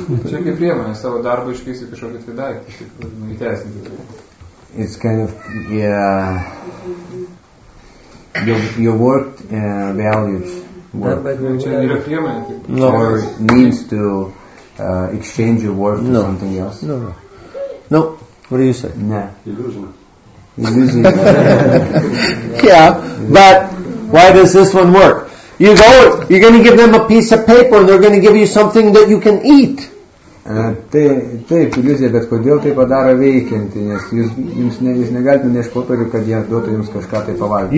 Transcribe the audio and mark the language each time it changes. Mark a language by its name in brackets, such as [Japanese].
[Lithuanian] Čia kaip priemonė, savo darbą iškeisi kažkokį tai daiktą, įteisinti. [English] It's kind of, your work values. [Lithuanian] Čia yra priemonė, tai [English] no. Or means to exchange your work for something else. No, no. No, what do you say? [Lithuanian] Ne. [English] Illusion. Yeah, but why does this one work? You go, you're going to give them a piece of paper and they're going to give you something that you can eat. [Lithuanian] Taip, iliuzija, bet kodėl tai padaro veikinti, nes jūs negalite nešti popierių, kad jie duotų jums kažką tai pavalgyti.